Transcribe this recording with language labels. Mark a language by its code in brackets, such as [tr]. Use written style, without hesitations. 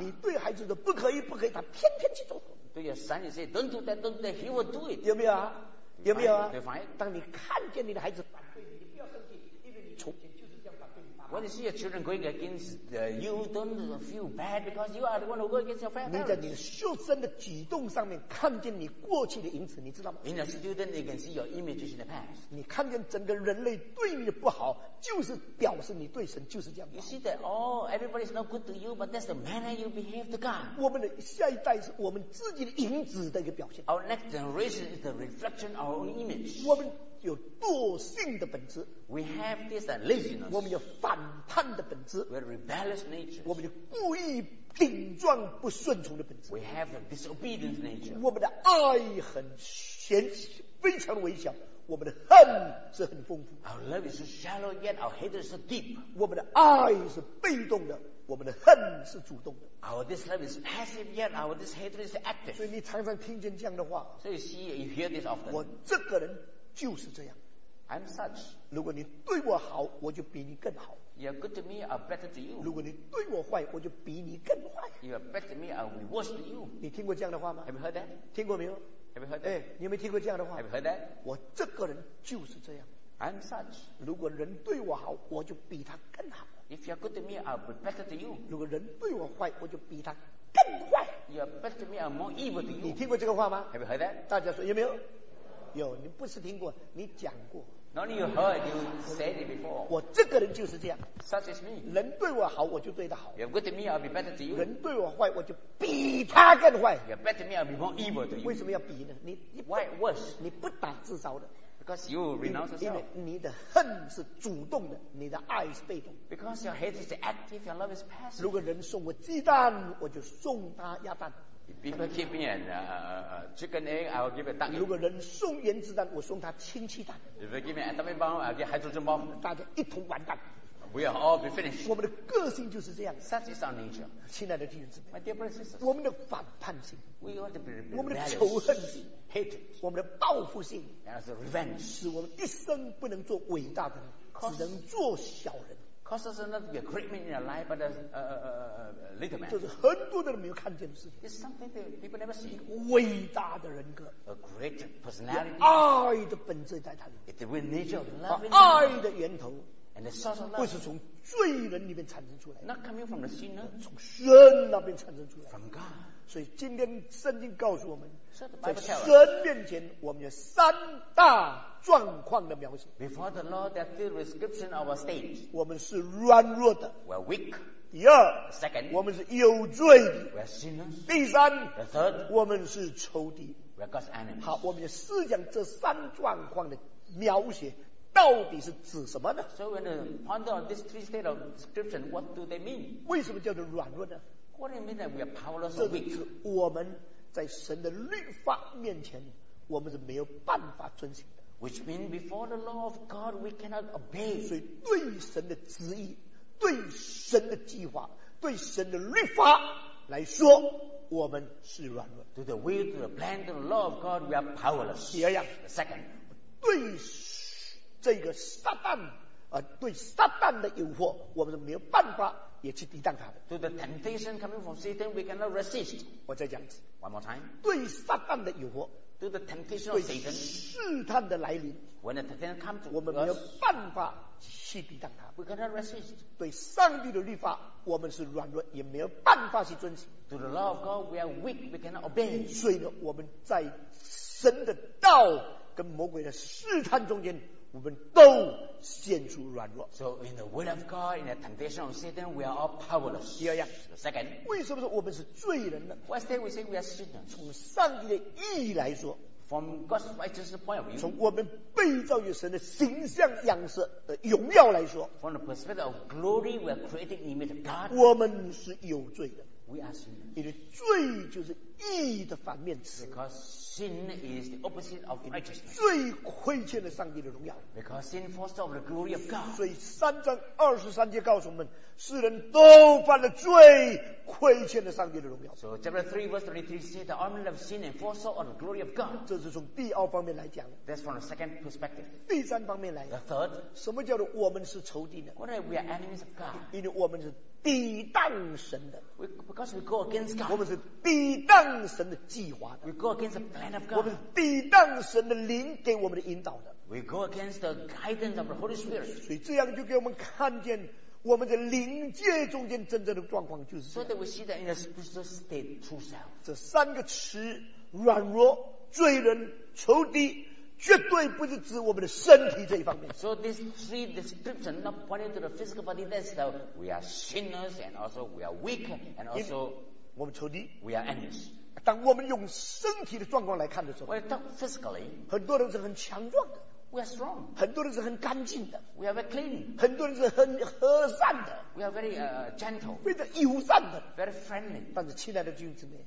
[zh] 你对孩子的不可以不可以他偏偏去做 [en] Do your son you say don't do that don't do that he will do it. [zh] 有没有啊有没有啊 [en] Do you find? [zh] 当你看见你的孩子 [en] When you see your children going against you, don't feel bad because you are the one who go against your parents. [zh] 你在你学生的举动上面看见你过去的影子，你知道吗 [en] ？In your student, you can see your images in the past. [zh] 你看见整个人类对你不好，就是表示你对神就是这样。 [en] You see that all、oh, everybody is not good to you, but that's the manner you behave to God. [zh] 我们的下一代是我们自己的影子的一个表现。 [en] Our next generation is the reflection of our own image. [zh] 我们有惰性的本质 [en] ，We have this laziness. [zh] 我们有反叛的本质 [en] ，We have rebellious nature. [zh] 我们有故意顶撞不顺从的本质 [en] ，We have a disobedient nature. [zh] 我们的爱很浅，非常微小。我们的恨是很丰富 [en] ，Our love is shallow yet our hatred is deep. [zh] 我们的爱是被动的。我们的恨是主动的 [en] Our this love is passive yet our this hatred is active [zh] 所以你常常听见这样的话 [en] So you see you hear this often [zh] 我这个人就是这样 [en] I'm such [zh] 如果你对我好我就比你更好 [en] You're good to me I'm better to you [zh] 如果你对我坏我就比你更坏 [en] You're better to me I'll be worse to you [zh] 你听过这样的话吗 [en] Have you heard that? [zh] 听过没有 [en] Have you heard that? [zh] 哎，你有没有听过这样的话 [en] Have you heard that? [zh] 我这个人就是这样 [en] I'm such [zh] 如果人对我好我就比他更好 [en] If you're good to me, I'll be better to you. [zh] 如果人对我坏，我就比他更坏。 [en] You're better to me, I'm more evil to you. [zh] 你听过这个话吗 [en] ？Have you heard that? [zh] 大家说有没有？有，你不是听过，你讲过。 [en] Not only you heard, you said it before. [zh] 我这个人就是这样。 [en] Such is me. [zh] 人对我好，我就对他好。 [en] You're good to me, I'll be better to you. [zh] 人对我坏，我就比他更坏。 [en] You're better to me, I'll be more evil to you. [zh] 为什么要比呢？你 [en] Why worse? [zh] 你不打自招的。 [en] Because you renounce yourself. [zh] 你的恨是主动的, 你的爱是被动, [en] because your hate is active, your love is passive. [zh] 如果人送我鸡蛋, 我就送他鸭蛋, [en] if people keep me an chicken egg, I will give a duck egg. [zh] 如果人送原子弹, 我送他氢气弹, [en] if they give me an atomic bomb, I will give hydrogen bomb. [zh] 大家一同完蛋, [en] we are all be finished. [zh] 我们的个性就是这样, [en] such is our nature. [zh] 亲爱的弟兄姊妹, [en] my dear brothers and sisters, [zh] 我们的反叛性, [en] we ought to be rebellious. [zh] 我们的仇恨性, [en] hate. [zh] 我们的报复性, [en] and as a revenge. [zh] 使我们一生不能做伟大的人, [en] causes, [zh] 只能做小人, [en] causes us not to be a great man in our life, but a little man. [zh] 就是很多的人没有看见的事情, [en] it's something that people never see. [zh] 伟大的人格, [en] a great personality. [zh] 爱的本质在他里, [en] it's the nature of love. [zh] 爱的源头, [en] and the source of love, [zh] 不是从罪人里面产生出来, [en] not coming from the sinner, [zh] 从神那边产生出来, [en] from God. [zh] 所以今天圣经告诉我们, 在神面前, 我们有三大状况的描写, [en] before the Lord, there are three descriptions of our state. [zh] 我们是软弱的, [en] we are weak. [zh] 第二, [en] second, [zh] 我们是有罪的, [en] we are sinners. [zh] 第三, [en] the third, [zh] 我们是仇敌, [en] we are God's enemies. [zh] 好, 我们要思想这三状况的描写, 到底是指什么呢? [en] So when we ponder on this three state of description, what do they mean? [zh] 为什么叫做软弱呢? [en] What do you mean that we are powerless or weak? [zh] 我们在神的律法面前, 我们是没有办法遵行的, [en] which means before the law of God, we cannot obey. [zh] 所以对神的旨意, 对神的计划, 对神的律法, 来说, 我们是软弱, [en] to the will, to the plan, to the law of God, we are powerless. [zh] 第二样, [en] the second, [zh] 对这个撒旦, 对撒旦的诱惑, 我们是没有办法, 也去抵挡他的, [en] to the temptation coming from Satan, we cannot resist. [zh] 我再讲一次, [en] one more time. [zh] 对撒旦的诱惑, [en] to the temptation of Satan, [zh] 对试探的来临, [en] when the temptation comes to us, [zh] 我们没有办法去抵挡他, [en] we cannot resist. [zh] 对上帝的律法, 我们是软弱, 也没有办法去遵行, [en] to the law of God, we are weak, we cannot obey. [zh] 所以呢, 我们在神的道, 跟魔鬼的试探中间, 我们都陷入软弱, [en] so in the will of God, in the temptation of Satan, we are all powerless. [zh] 第二样, [en] the second, [zh] 为什么说我们是罪人呢? [en] What's that we say we are sinners? [zh] 从上帝的意义来说, [en] from God's righteous point of view, [zh] 从我们被造于神的形象样式的荣耀来说, [en] from the perspective of glory, we are creating the image of God, [zh] 我们是有罪的, [en] we are sinners. [zh] 因为罪就是义的反面词, [en] because sin is the opposite of righteousness, [zh] 罪亏欠了上帝的荣耀, [en] because sin falls short of the glory of God. [zh] 所以3章23节告诉我们, 世人都犯了罪, 亏欠了上帝的荣耀, [en] so chapter 3 verse 23 says the armament of sin and falls short of the glory of God. [zh] 这是从第二方面来讲, [en] that's from the second perspective. [zh] 第三方面来, [en] the third, [zh] 什么叫做我们是仇敌呢? [en] What are we, are enemies of God? [zh] 因为我们是 抵挡神的, [en] because we go against God. [zh] 我们是抵挡神的计划的, [en] we go against the plan of God. [zh] 我们是抵挡神的灵给我们的引导的, [en] we go against the guidance of the Holy Spirit. [zh] 所以这样就给我们看见, 我们的灵界中间真正的状况就是这样, [en] so that we see that in the spiritual state true self. [zh] 这三个词, 软弱, 罪人, 仇敌, 绝对不是指我们的身体这一方面, [en] so these three descriptions not pointing to the physical body, that's that we are sinners and also we are weak and also [zh] 我们仇敌, [en] we are enemies. [zh] 当我们用身体的状况来看的时候, [en] well, talk physically, [zh] 很多人是很强壮的, [en] we are strong. [zh] 很多人是很干净的, [en] we are very clean. [zh] 很多人是很和善的, [en] we are very gentle. [zh] 非常友善的, [en] very friendly. [zh] 但是亲爱的君子们,